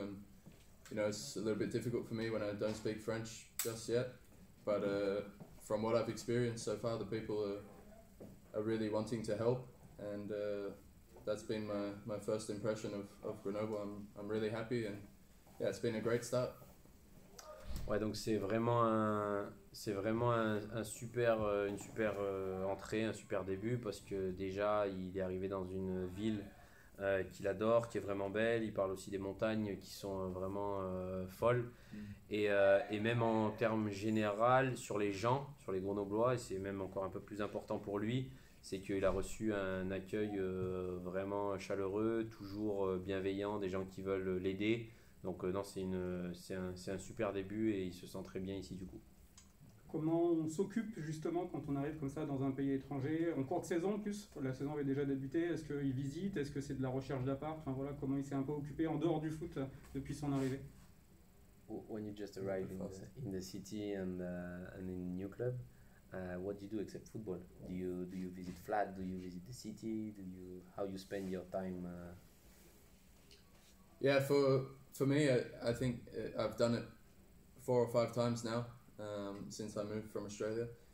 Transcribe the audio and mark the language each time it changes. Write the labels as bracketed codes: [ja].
[en] And you know, it's a little bit difficult for me when I don't speak French just yet. But from what I've experienced so far, the people are really wanting to help, and that's been my first impression of Grenoble. I'm really happy, and yeah, it's been a great start. [fr] Ouais, donc c'est vraiment une super entrée, un super début, parce que déjà il est arrivé dans une ville qu'il adore, qui est vraiment belle. Il parle aussi des montagnes qui sont vraiment folles. Et même en termes général, sur les gens, sur les Grenoblois, et c'est même encore un peu plus important pour lui, c'est qu'il a reçu un accueil vraiment chaleureux, toujours bienveillant, des gens qui veulent l'aider. Donc non, c'est un super début et il se sent très bien ici du coup. Comment on s'occupe justement quand on arrive comme ça dans un pays étranger, en courte saison en plus, la saison avait déjà débuté, est-ce qu'il visite, est-ce que c'est de la recherche d'appart, enfin voilà, comment il s'est un peu occupé en dehors du foot depuis son arrivée? [en] When you just arrive in the city and in new club, what do you do except football? Do you visit flat, do you visit the city, how you spend your time? Yeah, for me, I think I've done it 4 or 5 times now since I moved from Australia.